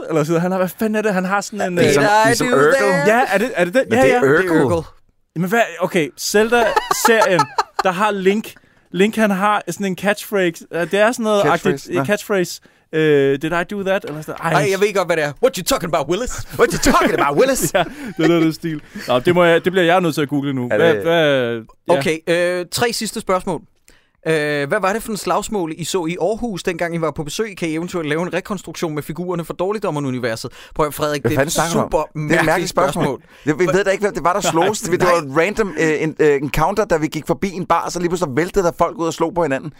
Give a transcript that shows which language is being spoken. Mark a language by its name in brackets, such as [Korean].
[Danish] Eller så han har, hvad fanden er det? Han har sådan en ligesom Urkel. Ja, er det den? Men ja, det er Urkel. Men hvad? Okay, Zelda-serien, der har Link, han har sådan en catchphrase. Det er sådan noget catchphrase. [English] Did I do that? [Danish] Eller sådan, ej, jeg ved ikke godt, hvad det er. [English] What you talking about, Willis? What you talking about, Willis? [Danish] Ja, det er det stil. Nå, det bliver jeg nødt til at google nu. Okay, tre sidste spørgsmål. Hvad var det for en slagsmål, I så i Aarhus, dengang I var på besøg? Kan I eventuelt lave en rekonstruktion med figurerne fra Dårligdommeruniverset? Prøv at Frederik, det er et super mærkeligt spørgsmål. Jeg ved da ikke, hvad det var, der slogs. Det var en random encounter, da vi gik forbi en bar, så lige pludselig væltede der folk ud og slog på hinanden.